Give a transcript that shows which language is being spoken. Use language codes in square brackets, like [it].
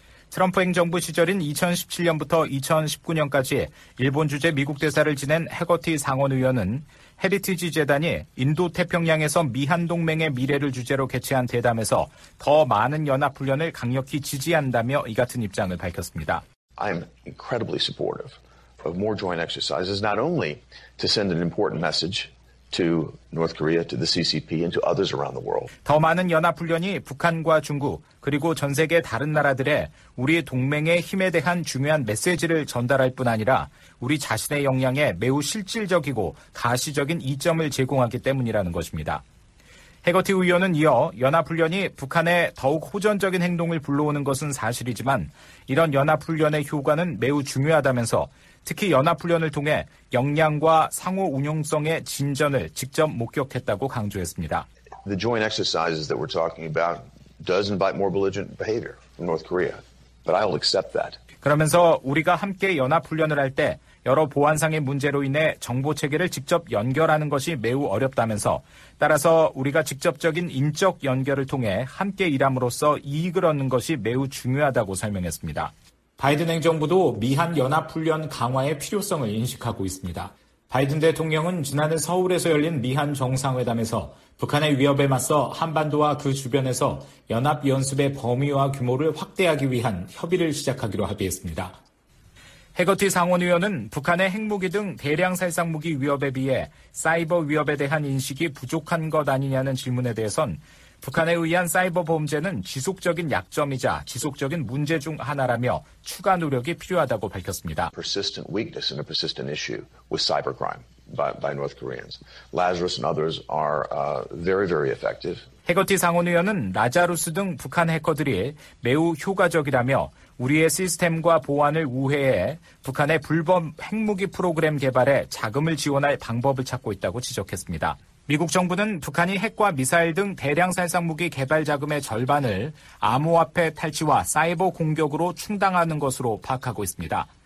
[ko] 트럼프 행정부 시절인 2017년부터 2019년까지 일본 주재 미국 대사를 지낸 해거티 상원의원은 헤리티지 재단이 인도태평양에서 미한동맹의 미래를 주제로 개최한 대담에서 더 많은 연합훈련을 강력히 지지한다며 이 같은 입장을 밝혔습니다. [en] I am incredibly supportive. of more joint exercises, not only to send an important message to North Korea, to the CCP, and to others around the world. [ko] 더 많은 연합훈련이 북한과 중국 그리고 전 세계 다른 나라들의 우리 동맹의 힘에 대한 중요한 메시지를 전달할 뿐 아니라 우리 자신의 역량에 매우 실질적이고 가시적인 이점을 제공하기 때문이라는 것입니다. 해거티 의원은 이어 연합훈련이 북한에 더욱 호전적인 행동을 불러오는 것은 사실이지만 이런 연합훈련의 효과는 매우 중요하다면서 특히 연합훈련을 통해 역량과 상호 운용성의 진전을 직접 목격했다고 강조했습니다. [en] The joint exercises that we're talking about does invite more belligerent behavior from North Korea, but I'll accept that. [ko] 그러면서 우리가 함께 연합훈련을 할 때 여러 보안상의 문제로 인해 정보 체계를 직접 연결하는 것이 매우 어렵다면서 따라서 우리가 직접적인 인적 연결을 통해 함께 일함으로써 이익을 얻는 것이 매우 중요하다고 설명했습니다. 바이든 행정부도 미한 연합훈련 강화의 필요성을 인식하고 있습니다. 바이든 대통령은 지난해 서울에서 열린 미한 정상회담에서 북한의 위협에 맞서 한반도와 그 주변에서 연합연습의 범위와 규모를 확대하기 위한 협의를 시작하기로 합의했습니다. 해거티 상원의원은 북한의 핵무기 등 대량 살상 무기 위협에 비해 사이버 위협에 대한 인식이 부족한 것 아니냐는 질문에 대해선 북한에 의한 사이버 범죄는 지속적인 약점이자 지속적인 문제 중 하나라며 추가 노력이 필요하다고 밝혔습니다. [en] Persistent weakness and a persistent issue with cybercrime by North Koreans. Lazarus and others are very, very effective. [ko] 해거티 상원의원은 라자루스 등 북한 해커들이 매우 효과적이라며 우리의 시스템과 보안을 우회해 북한의 불법 핵무기 프로그램 개발에 자금을 지원할 방법을 찾고 있다고 지적했습니다. 미국 정부는 북한이 핵과 미사일 등 대량 살상무기 개발 자금의 절반을 암호화폐 탈취와 사이버 공격으로 충당하는 것으로 파악하고 있습니다.